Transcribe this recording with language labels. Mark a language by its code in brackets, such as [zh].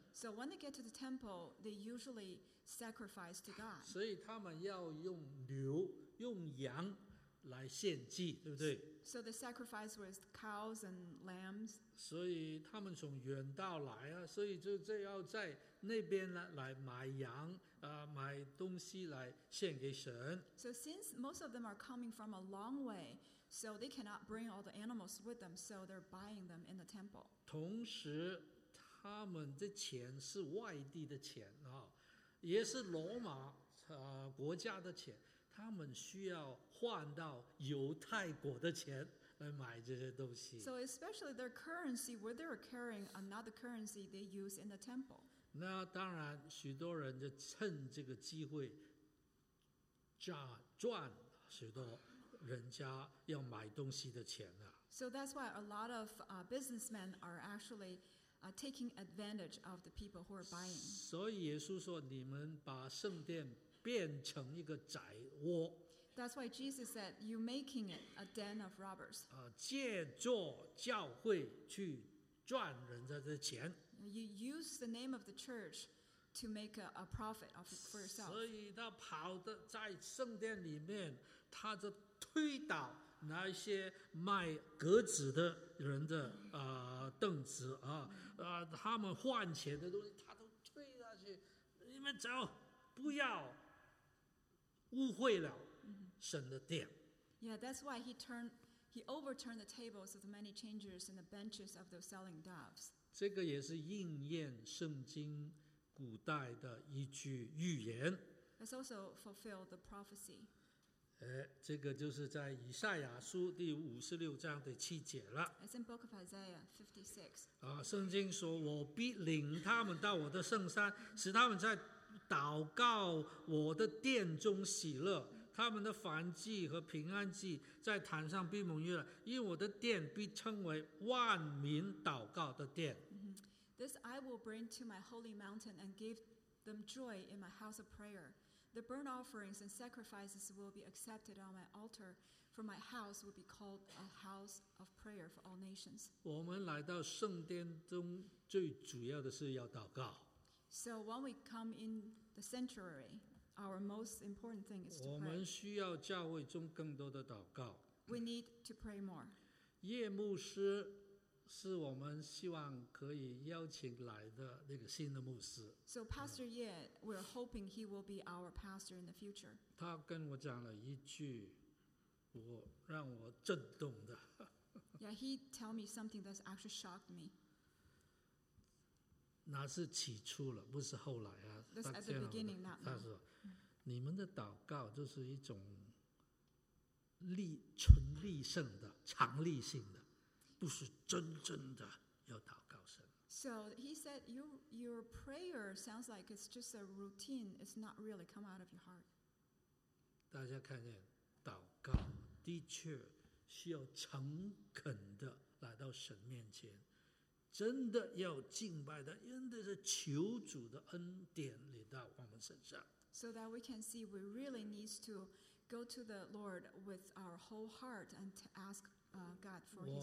[en] So when they get to the temple, they usually sacrifice to God. [zh] 所以他们要用牛、用羊来献祭，对不对 [en] ？So the sacrifice was cows and lambs. [zh] 所以他们从远道来啊，所以就要在那边来买羊啊，买东西来献给神。 [en] So since most of them are coming from a long way. So they cannot bring all the animals with them, so they're buying them in the temple. [zh] 同时，他们的钱是外地的钱啊，也是罗马国家的钱，他们需要换到犹太国的钱来买这些东西。 [en] So especially their currency, where they're carrying another currency they use in the temple. [zh] 那当然，许多人就趁这个机会赚许多。人家要买东西的钱啊。 [en] So that's why a lot of businessmen are actually taking advantage of the people who are buying. [zh] 所以耶稣说，你们把圣殿变成一个宰窝。 [en] That's why Jesus said, "You making it a den of robbers." [zh] 借助教会去赚人家的钱。 [en] You use the name of the church. To make a profit of for yourself. [zh] 所以他跑的在圣殿里面，他就推倒那些卖鸽子的人的凳子啊，他们换钱的东西，他都推下去。你们走，不要污秽了神的殿。 [en] Yeah, that's why he overturned the tables of the money changers and the benches of those selling doves. [zh] 这个也是应验圣经。古代的一句预言 [en] It's also fulfilled the prophecy. [zh] 这个就是在以赛亚书第五十六章的七节了 [en] It's in Book of Isaiah 56. [zh] 圣经说我必领他们到我的圣山使他们在祷告我的殿中喜乐他们的燔祭和平安祭在坛上必蒙悦因为我的殿必称为万民祷告的殿 [en] This I will bring to my holy mountain and give them joy in my house of prayer. The burnt offerings and sacrifices will be accepted on my altar, for my house will be called a house of prayer for all nations. [zh] 我们来到圣殿中最主要的是要祷告。 [en] So when we come in the sanctuary, our most important thing is to pray. [zh] 我们需要教会中更多的祷告。 [en] We need to pray more. [zh] 夜牧师是我们希望可以邀请来的那个新的牧师。 [en] So Pastor Ye, we're hoping he will be our pastor in the future. [zh] 他跟我讲了一句，让我震动的。 [en] Yeah, he tell me something that's actually shocked me. [zh] 那是起初了，不是后来啊。 [en] That's at the beginning, not now. [zh] 他说，你们的祷告就是一种纯力胜的、常力性的。不是真正的要祷告神。 [en] So he said, your prayer sounds like it's just a routine. It's not really come out of your heart. [zh] 大家看见，祷告的确需要诚恳的来到神面前，真的要敬拜的，真的是求主的恩典临到我们身上。 [en] So that we can see, we really need to go to the Lord with our whole heart and to ask God for His blessing.